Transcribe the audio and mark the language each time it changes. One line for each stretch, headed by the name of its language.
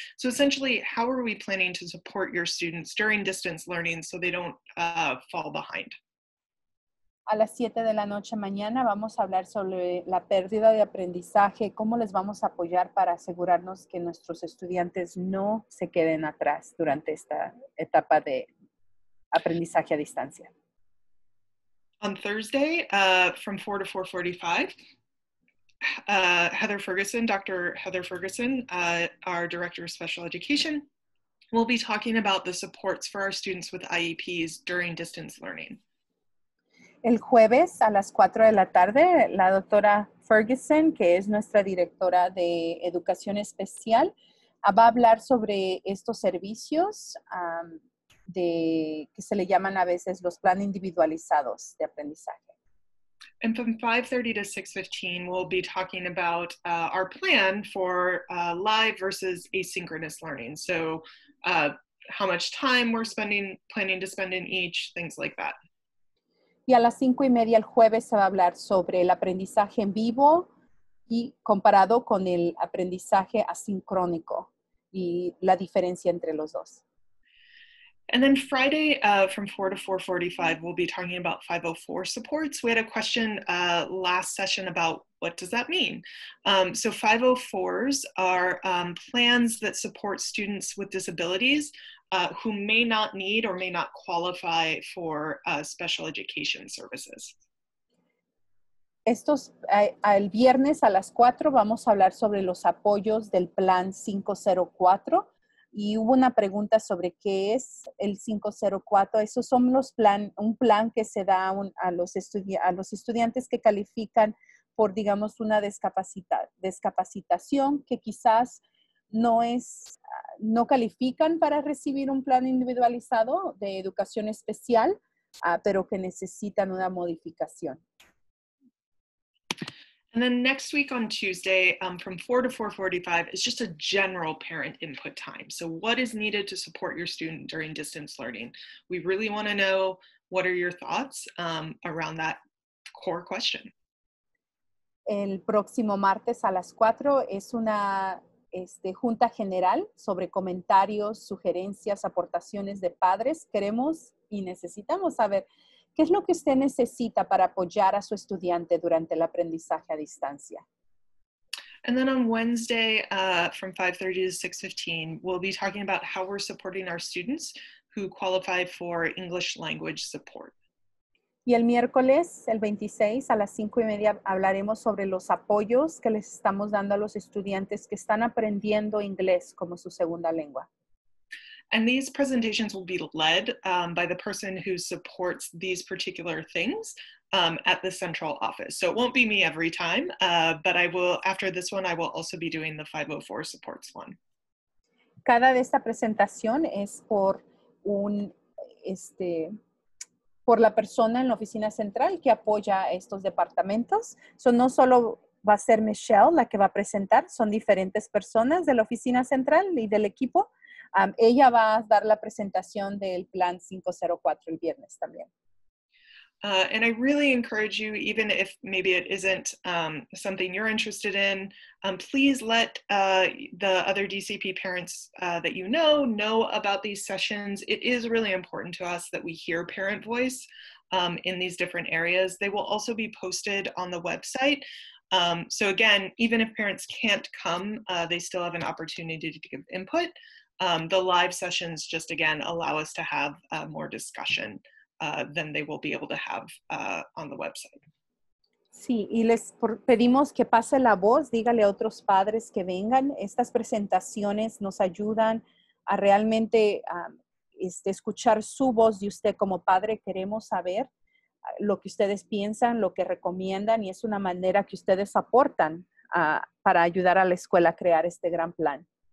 English: So essentially, how are we planning to support your students during distance learning so they don't fall behind?
Spanish: A las 7 de la noche mañana vamos a hablar sobre la pérdida de aprendizaje, cómo les vamos a apoyar para asegurarnos que nuestros estudiantes no se queden atrás durante esta etapa de aprendizaje a distancia.
English: On Thursday, from 4 to 4:45, Heather Ferguson, Dr. Heather Ferguson, our Director of Special Education, will be talking about the supports for our students with IEPs during distance learning.
Spanish: El jueves a las 4 de la tarde, la doctora Ferguson, que es nuestra directora de Educación Especial, va a hablar sobre estos servicios de que se le llaman a veces los plan individualizados de aprendizaje.
English: And from 5:30 to 6:15, we'll be talking about our plan for live versus asynchronous learning. So how much time we're planning to spend in each, things like that.
Spanish: Y a las 5:30 el jueves se va a hablar sobre el aprendizaje en vivo y comparado con el aprendizaje asincrónico y la diferencia entre los dos.
English: And then Friday from 4 to 4:45, we'll be talking about 504 supports. We had a question last session about what does that mean? So 504s are plans that support students with disabilities who may not need or may not qualify for special education services.
Spanish: Estos, el viernes a las 4 vamos a hablar sobre los apoyos del plan 504. Y hubo una pregunta sobre qué es el 504. Esos son los un plan que se da a los estudiantes que califican por, digamos, una discapacitación que quizás no califican para recibir un plan individualizado de educación especial, pero que necesitan una modificación.
English: And then next week on Tuesday, from 4 to 4:45, is just a general parent input time. So what is needed to support your student during distance learning? We really want to know what are your thoughts around that core question.
Spanish: El próximo martes a las 4 es una junta general sobre comentarios, sugerencias, aportaciones de padres. Queremos y necesitamos saber ¿qué es lo que usted necesita para apoyar a su estudiante durante el aprendizaje a distancia?
English: And then on Wednesday, from 5:30 to 6:15, we'll be talking about how we're supporting our students who qualify for English language support.
Spanish: Y el miércoles, el 26, a las 5:30, hablaremos sobre los apoyos que les estamos dando a los estudiantes que están aprendiendo inglés como su segunda lengua.
English: And these presentations will be led by the person who supports these particular things at the central office. So it won't be me every time, but I will, after this one, I will also be doing the 504 supports one.
Spanish: Cada de esta presentación es por un, por la persona en la oficina central que apoya estos departamentos. So no solo va a ser Michelle la que va a presentar, son diferentes personas de la oficina central y del equipo. Ella va a dar la presentación del plan 504 el viernes también.
English: And I really encourage you, even if maybe it isn't something you're interested in, please let the other DCP parents that you know about these sessions. It is really important to us that we hear parent voice in these different areas. They will also be posted on the website. So again, even if parents can't come, they still have an opportunity to give input. The live sessions just again allow us to have more discussion than they will be able to have on the website.
Spanish: Sí, y les pedimos que pase la voz, dígale a otros padres que vengan. Estas presentaciones nos ayudan a realmente escuchar su voz de usted como padre. Queremos saber lo que ustedes piensan, lo que recomiendan, y es una manera que ustedes aportan para ayudar a la escuela a crear este gran plan.